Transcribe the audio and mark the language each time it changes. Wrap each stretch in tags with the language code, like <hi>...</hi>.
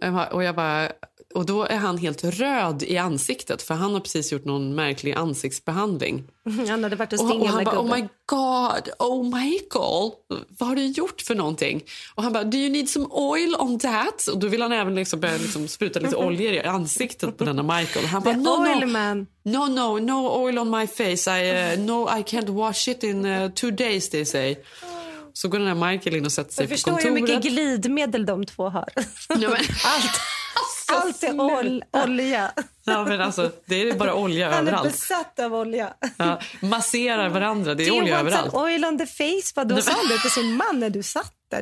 <sv>och jag bara, och då är han helt röd i ansiktet för han har precis gjort någon märklig ansiktsbehandling. Han hade varit och han bara,</sv> <en>oh my god, oh Michael,</en> <sv>vad har du gjort för någonting? Och han bara,</sv> <en>do you need some oil on that?</en> <sv>Och då vill han även liksom börja liksom spruta lite olja i ansiktet på denna Michael. Han bara,</sv> <en>no oil on my face. I can't wash it in 2 days, they say.</en> <sv>Så går den här Michael in och sätter sig på kontoret. Jag förstår hur mycket glidmedel de två har. Ja, men... Allt är olja. Ja, men alltså, det är bara olja han överallt. Han är besatt av olja. Ja, masserar varandra, det är olja överallt. Det är</sv> <en>oil on the face,</en> <sv>vad då sa du till sin man när du satt där?</sv>